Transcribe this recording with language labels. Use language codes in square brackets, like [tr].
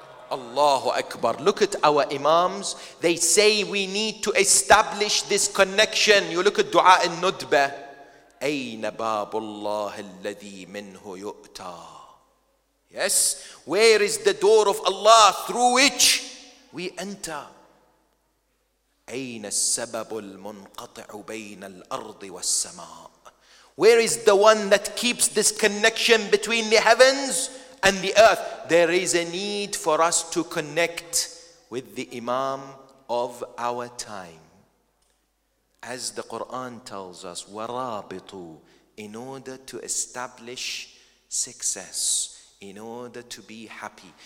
[en] Allahu Akbar. Look at our imams. They say we need to establish this connection. You look at Dua al-Nudbah. [ar] أَيْنَ بَابُ اللَّهِ الَّذِي مِنْهُ يُؤْتَى. [en] Yes, where is the door of Allah through which we enter? [ar] أين السبب المنقطع بين الأرض والسماء? [en] Where is the one that keeps this connection between the heavens and the earth? There is a need for us to connect with the Imam of our time. As the Quran tells us, وَرَابِطُوا, in order to establish success, in order to be happy.